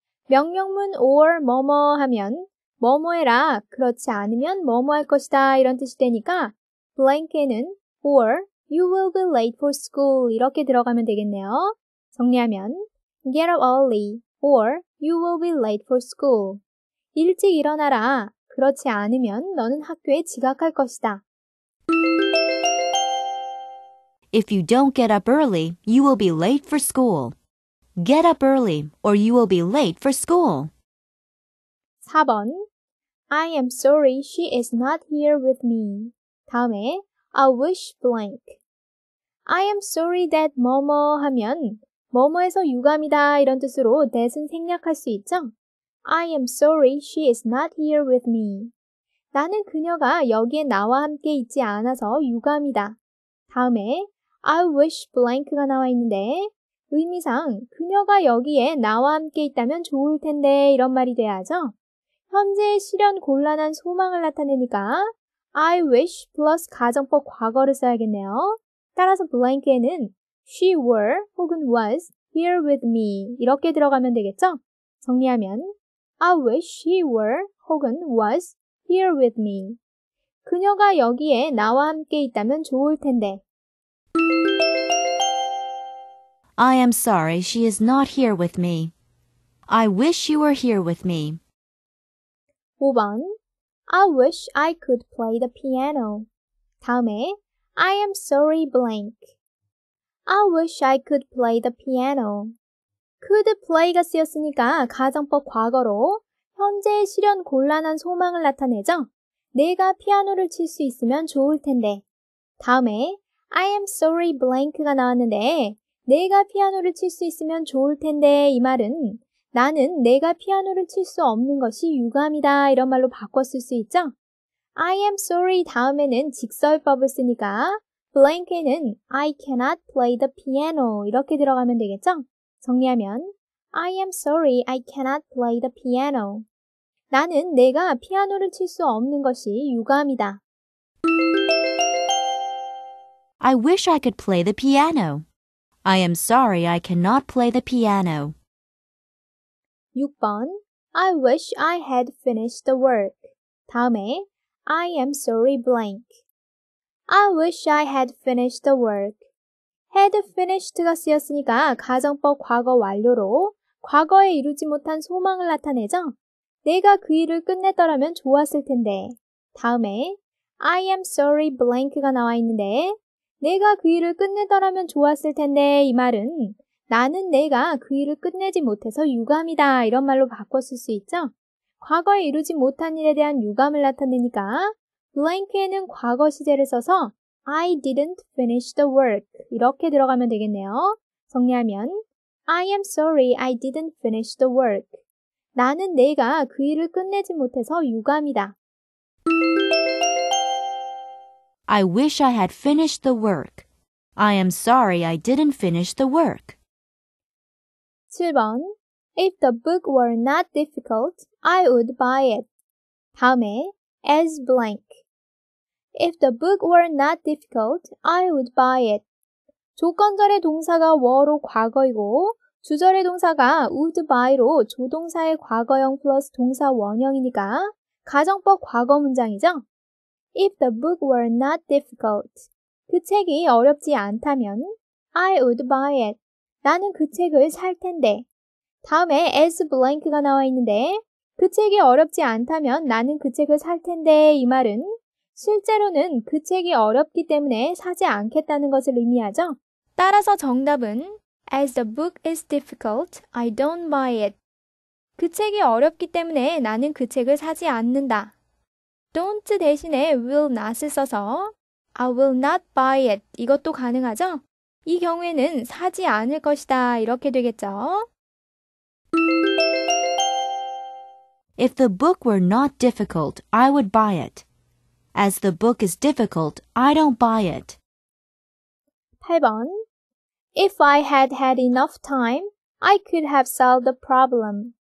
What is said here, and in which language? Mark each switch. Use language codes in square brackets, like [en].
[ko] 명령문 or 뭐뭐 하면 뭐뭐 해라, 그렇지 않으면 뭐뭐 할 것이다 이런 뜻이 되니까 blank에는 [en] or you will be late for school [ko] 이렇게 들어가면 되겠네요. 정리하면 [en] get up early or you will be late for school. [ko] 일찍 일어나라, 그렇지 않으면 너는 학교에 지각할 것이다. [en] If you don't get up early, you will be late for school. Get up early or you will be late for school. 4번 I am sorry she is not here with me. [ko] 다음에 [en] I wish blank. I am sorry that [ko] 뭐뭐 하면 뭐뭐에서 유감이다 이런 뜻으로 that은 생략할 수 있죠? [en] I am sorry she is not here with me. [ko] 나는 그녀가 여기에 나와 함께 있지 않아서 유감이다. 다음에 [en] I wish blank [ko] 가 나와 있는데 의미상 그녀가 여기에 나와 함께 있다면 좋을 텐데 이런 말이 돼야죠. 현재의 실현 곤란한 소망을 나타내니까 I wish plus 가정법 과거를 써야겠네요. 따라서 [en] blank에는 she were [ko] 혹은 [en] was here with me [ko] 이렇게 들어가면 되겠죠? 정리하면 [en] I wish she were [ko] 혹은 [en] was here with me. [ko] 그녀가 여기에 나와 함께 있다면 좋을 텐데. [en] I am sorry she is not here with me. I wish she were here with me. 5번 I wish I could play the piano. 다음에 I am sorry blank. I wish I could play the piano. [ko] Could play가 쓰였으니까 가정법 과거로 현재의 실현 곤란한 소망을 나타내죠. 내가 피아노를 칠 수 있으면 좋을 텐데. 다음에 [en] I am sorry blank [ko] 가 나왔는데 내가 피아노를 칠 수 있으면 좋을 텐데 이 말은 나는 내가 피아노를 칠 수 없는 것이 유감이다 이런 말로 바꿨을 수 있죠? [en] I am sorry [ko] 다음에는 직설법을 쓰니까 [en] blank에는 I cannot play the piano [ko] 이렇게 들어가면 되겠죠? 정리하면 [en] I am sorry I cannot play the piano. [ko] 나는 내가 피아노를 칠 수 없는 것이 유감이다. [en] I wish I could play the piano. I am sorry I cannot play the piano. 6번 I wish I had finished the work. [ko] 다음에 [en] I am sorry blank. I wish I had finished the work. Had finished가 [ko] 쓰였으니까 가정법 과거 완료로 과거에 이루지 못한 소망을 나타내죠? 내가 그 일을 끝냈더라면 좋았을 텐데. 다음에 [en] I am sorry blank [ko] 가 나와 있는데 내가 그 일을 끝냈더라면 좋았을 텐데 이 말은 나는 내가 그 일을 끝내지 못해서 유감이다 이런 말로 바꿨을 수 있죠? 과거에 이루지 못한 일에 대한 유감을 나타내니까 blank에는 과거 시제를 써서 [en] I didn't finish the work [ko] 이렇게 들어가면 되겠네요. 정리하면 [en] I am sorry I didn't finish the work. [ko] 나는 내가 그 일을 끝내지 못해서 유감이다. [en] I wish I had finished the work. I am sorry I didn't finish the work. 7번 If the book were not difficult, I would buy it. [ko] 다음에 [en] as blank. If the book were not difficult, I would buy it. [ko] 조건절의 동사가 were로 과거이고 주절의 동사가 would by로 조동사의 과거형 플러스 동사 원형이니까 가정법 과거 문장이죠? [en] If the book were not difficult, [ko] 그 책이 어렵지 않다면 [en] I would buy it. [ko] 나는 그 책을 살 텐데. 다음에 [en] as blank [ko] 가 나와 있는데 그 책이 어렵지 않다면 나는 그 책을 살 텐데 이 말은 실제로는 그 책이 어렵기 때문에 사지 않겠다는 것을 의미하죠? 따라서 정답은 [en] As the book is difficult, I don't buy it. [ko] 그 책이 어렵기 때문에 나는 그 책을 사지 않는다. [en] Don't [ko] 대신에 [en] will not을 [ko] 써서 [en] I will not buy it. [ko] 이것도 가능하죠? 이 경우에는 사지 않을 것이다. 이렇게 되겠죠? [en] If the book were not difficult, I would buy it. As the book is difficult, I don't buy it. 8번 If I had had enough time, I could have solved the problem.